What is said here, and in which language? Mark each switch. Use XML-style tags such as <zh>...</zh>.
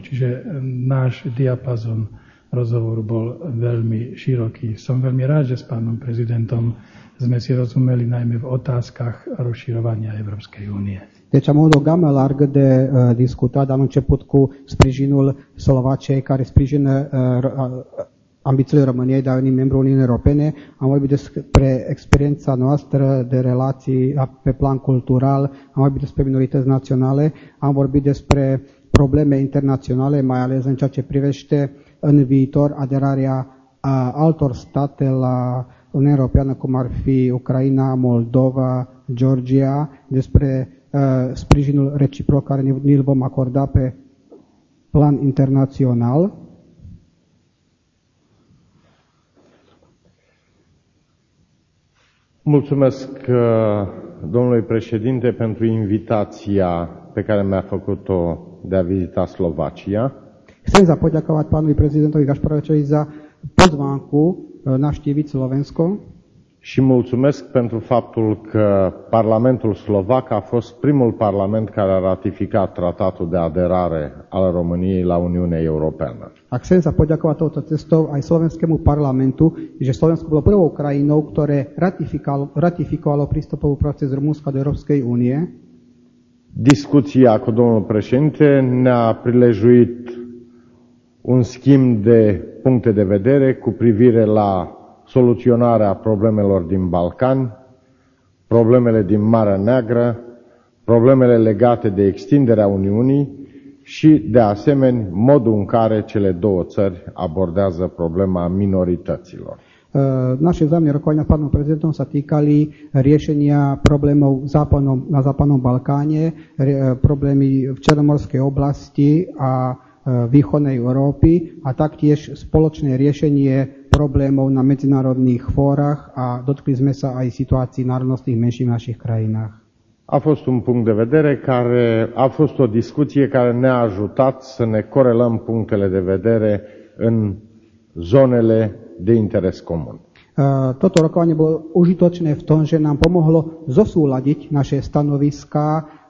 <sk>Čiže náš diapazon rozhovoru bol veľmi široký. Som veľmi rád, že s pánom prezidentom sme si rozumeli najmä v otázkach rozširovania Európskej únie.</sk> <ro>Deci am avut o gamă largă de discutat, am început cu sprijinul Slovaciei care sprijină ambițiile României de a veni membru Uniunii Europene. Am vorbit despre experiența noastră de relații pe plan cultural, am vorbit despre minorități naționale, am vorbit despre probleme internaționale, mai ales în ceea ce privește în viitor aderarea altor state la Uniunea Europeană, cum ar fi Ucraina, Moldova, Georgia, despre sprijinul reciproc care ni-l vom acorda pe plan internațional. Mulțumesc domnului președinte pentru invitația pe care mi-a făcut-o de a vizita Slovacia.</ro> <sk>Senza poďakovať pánovi prezidentovi Gašparovičovi za pozvánku navštíviť Slovensko.</sk> <ro>Și mulțumesc pentru faptul că Parlamentul Slovac a fost primul parlament care a ratificat tratatul de aderare al României la Uniunea Europeană.</ro> <sk>Ak sem sa poďakovať touto cestou aj slovenskému parlamentu, že Slovensko bolo prvou krajinou, ktoré ratifikovalo prístupový proces Rumunska do Európskej únie.</sk> <ro>Discuția cu domnul președinte ne-a prilejuit un schimb de puncte de vedere cu privire la soluționarea problemelor din Balcani, problemele din Marea Neagră, problemele legate de extinderea Uniunii și, de asemenea, modul în care cele două țări abordează problema minorităților.</ro> <sk>Naše zájmy rokovania s pánom prezidentom sa týkali riešenia problémov na Západnom Balkáne, problémy v Černomorskej oblasti a východnej Európy a taktiež spoločné riešenie problémov na medzinárodných fórach a dotkli sme sa aj situácií národnostných menšín v našich krajinách.</sk> <ro>A fost un punct de vedere care a fost o discuție care ne-a ajutat să ne corelăm punctele de vedere în zonele de interes comun.</ro> <sk>Toto rokovanie bolo užitočné v tom, že nám pomohlo zosúladiť naše stanoviská</sk>